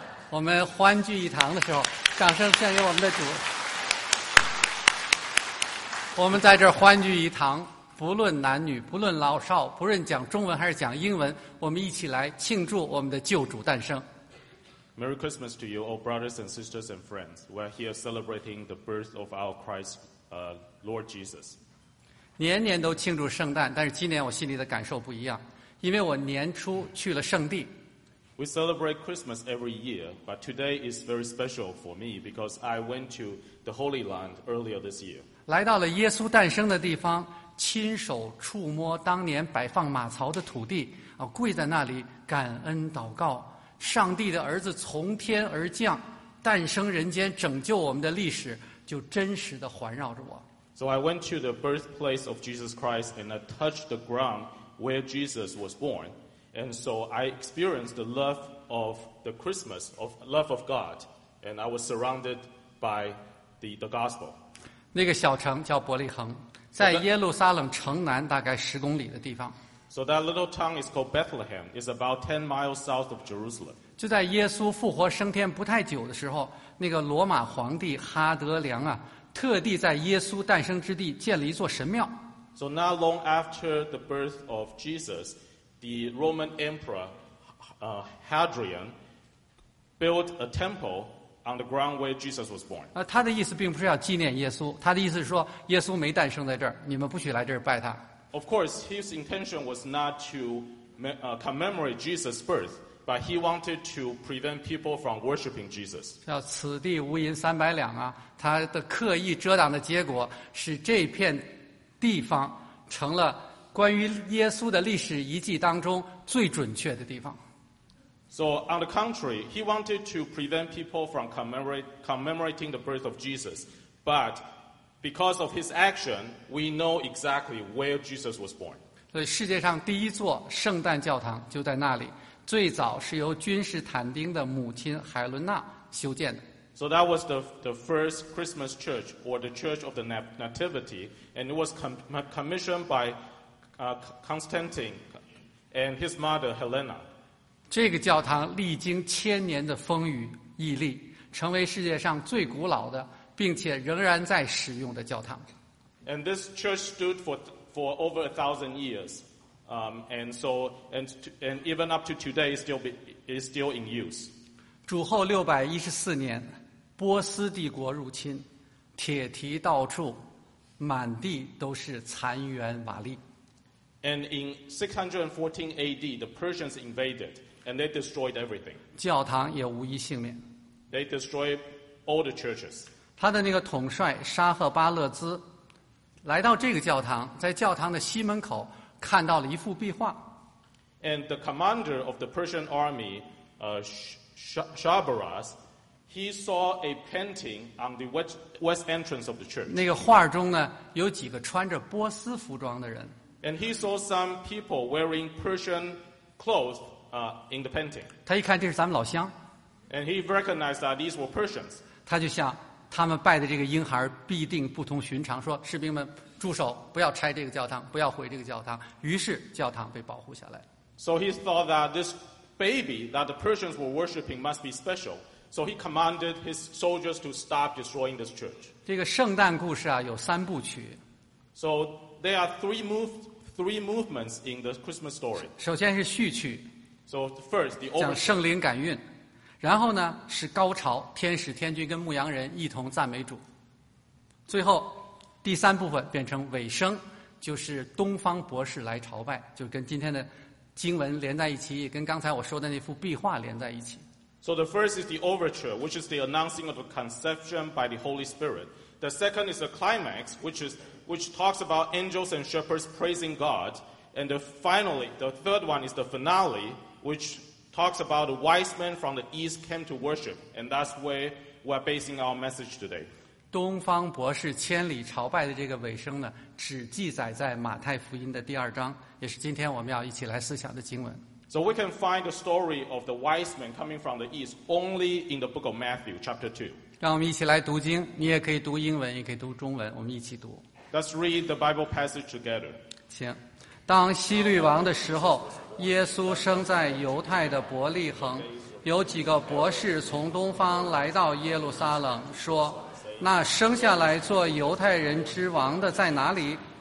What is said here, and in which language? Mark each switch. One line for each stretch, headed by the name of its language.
Chinese: 我们欢聚一堂的时候，掌声献给我们的主。我们在这儿欢聚一堂，不论男女，不论老少，不论讲中文还是讲英文，我们一起来庆祝我们的救主诞生。
English: Merry Christmas to you, all brothers and sisters and friends. We're here celebrating the birth of our Christ, Lord Jesus.
Chinese: 年年都庆祝圣诞，但是今年我心里的感受不一样，因为我年初去了圣地。
English: We celebrate Christmas every year, but today is very special for me because I went to the Holy Land earlier this year.
Chinese: 来到了耶稣诞生的地方，亲手触摸当年摆放马槽的土地，跪在那里感恩祷告。上帝的儿子从天而降，诞生人间，拯救我们的历史就真实地环绕着我。
English: So I went to the birthplace of Jesus Christ and I touched the ground where Jesus was born. And so I experienced the love of the Christmas, of love of God. And I was surrounded by the gospel.
Chinese: 那个小城叫伯利恒，在耶路撒冷城南大概十公里的地方。
English: So that little town is called Bethlehem. It's about 10 miles south of Jerusalem.
Chinese: 就在耶稣复活升天不太久的时候，那个罗马皇帝哈德良啊，特地在耶稣诞生之地建了一座神庙。
English: So not long after the birth of Jesus, the Roman Emperor, Hadrian built a temple on the ground where Jesus was born.
Chinese: 他的意思并不是要纪念耶稣，他的意思是说耶稣没诞生在这儿，你们不许来这儿拜他。
English: Of course, his intention was not to commemorate Jesus' birth, but he wanted to prevent people from worshiping Jesus.
Chinese: 叫此地无银三百两啊，他的刻意遮挡的结果使这片地方成了关于耶稣的历史遗迹当中最准确的地方。
English: So on the contrary, he wanted to prevent people from commemorating the birth of Jesus, but because of his action, we know exactly where Jesus was born.
Chinese: 世界上第一座圣诞教堂就在那里，最早是由君士坦丁的母亲海伦娜修建的。
English: So that was the first Christmas church, or the church of the Nativity, and it was commissioned by Constantine and his mother Helena.
Chinese: 这个教堂历经千年的风雨屹立，成为世界上最古老的并且仍然在使用的教堂。
English: And this church stood for over 1,000 years, and even up to today is still in use.
Chinese: 主后614年，波斯帝国入侵，铁蹄到处，满地都是残垣瓦砾。
English: And in 614 A.D., the Persians invaded and they destroyed everything.
Chinese: 教堂也无一幸免。
English: They destroyed all the churches.
Chinese: 他的那个统帅沙赫巴勒兹来到这个教堂，在教堂的西门口看到了一幅壁画。
English: And the commander of the Persian army, Shahrbaraz, he saw a painting on the west entrance of the church.
Chinese: 那个画中呢，有几个穿着波斯服装的人。
English: And he saw some people wearing Persian clothes, in the painting.
Chinese: 他一看这是咱们老乡。
English: And he recognized that these were Persians.
Chinese: 他就想，他们拜的这个婴孩必定不同寻常，说士兵们住手，不要拆这个教堂，不要毁这个教堂，于是教堂被保护下来。
English: So he thought that this baby that the Persians were worshipping must be special, so he commanded his soldiers to stop destroying this church.
Chinese: 这个圣诞故事啊有三部曲。
English: So there are three movements in the Christmas story.
Chinese: 首先是序曲。
English: So first the
Chinese: overture. 讲圣灵感孕，然后呢是高潮，天使天君跟牧羊人一同赞美主，最后第三部分变成尾声，就是东方博士来朝拜，就跟今天的经文连在一起，跟刚才我说的那幅壁画连在一起。
English: So the first is the overture, which is the announcing of the conception by the Holy Spirit. The second is the climax, which talks about angels and shepherds praising God. And the third one is the finale, whichtalks about the wise men from the east came to worship, and that's where we're basing our message today.
Chinese: 东方博士千里朝拜的这个尾声呢，只记载在马太福音的第二章，也是今天我们要一起来思想的经文。
English: So we can find the story of the wise men coming from the east only in the book of Matthew, chapter 2.
Chinese: 让我们一起来读经，你也可以读英文，也可以读中文，我们一起读。
English: Let's read the Bible passage together.
Chinese: 行。当希律王的时候，耶稣生在犹太的伯利恒。有几个博士从东方来到耶路撒冷，说：“那生下来做犹太人之王的在哪里？